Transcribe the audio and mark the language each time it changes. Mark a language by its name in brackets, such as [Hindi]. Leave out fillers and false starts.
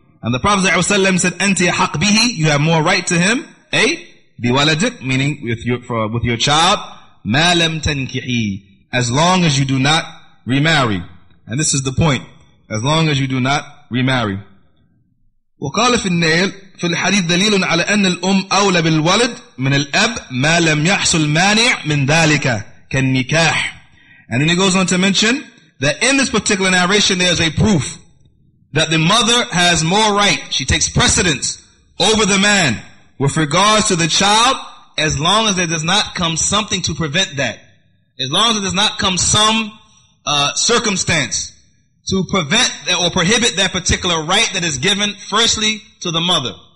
[English] And the Prophet ﷺ said, [Arabic] anti haq bihi, [English] you have more right to him, eh? Biwaladik, meaning with your child, [Arabic] ma lam tankihi, [English] as long as you do not remarry. And this is the point. As long as you do not remarry. [Arabic] وقال في النيل في الحديث دليل على أن الأم أولى بالولد من الأب ما لم يحصل مانع من ذلك كالنكاح. [English] And then he goes on to mention that in this particular narration there is a proof that the mother has more right. She takes precedence over the man with regards to the child as long as there does not come something to prevent that. As long as there does not come some circumstance to prevent that or prohibit that particular right that is given firstly to the mother.